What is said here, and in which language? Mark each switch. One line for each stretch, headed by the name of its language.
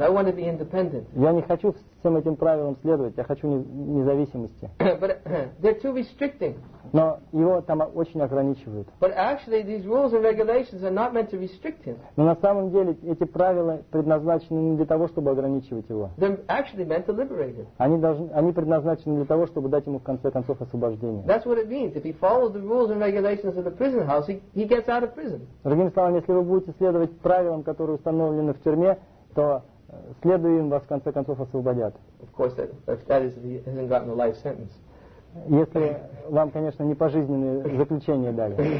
English: I want to be independent.
Russian: Я не хочу всем этим правилам следовать, я хочу независимости.
English: But they're too restricting.
Russian: Но его там очень ограничивают.
English: But actually, these rules and regulations are not meant to restrict him.
Russian: Но на самом деле эти правила предназначены не для того, чтобы ограничивать его.
English: They're actually meant to liberate him.
Russian: Они предназначены для того, чтобы дать ему в конце концов освобождение.
English: That's what it means. If he follows the rules and regulations of the prison house, he gets out of prison.
Russian: Другими словами, если вы будете следовать правилам, которые установлены в тюрьме, то следуя им, вас в конце концов освободят.
English: Of course, if that is, he hasn't gotten a life sentence.
Russian: Если вам, конечно, не пожизненное заключение дали.